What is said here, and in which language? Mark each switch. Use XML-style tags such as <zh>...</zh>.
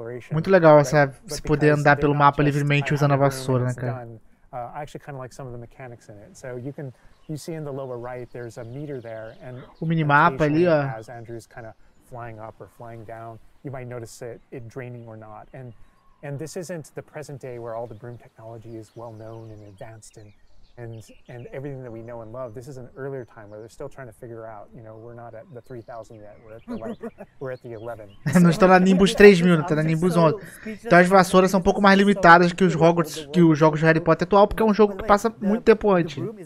<pt>Muito legal esse poder andar pelo mapa livremente usando a vassoura, né, cara?</pt> <en>I actually kind of like some of the mechanics in it. So you see in the lower right there's a meter there and</en> <pt>o minimapa ali, ó.</pt> <en>As Andrew's kind of flying up or flying down, you might notice it draining or not. And this isn't the present day where all the broom technology is well known and advanced and everything that we know and love. This is an earlier time where they're still trying to figure out, you know, we're not at the 3000 yet. We're at the 11.</en> <pt>Não estão na Nimbus 3000, não estão na Nimbus 11. Então as vassouras são um pouco mais limitadas que os Hogwarts, que os jogos de Harry Potter atual, porque é um jogo que passa muito tempo antes.</pt>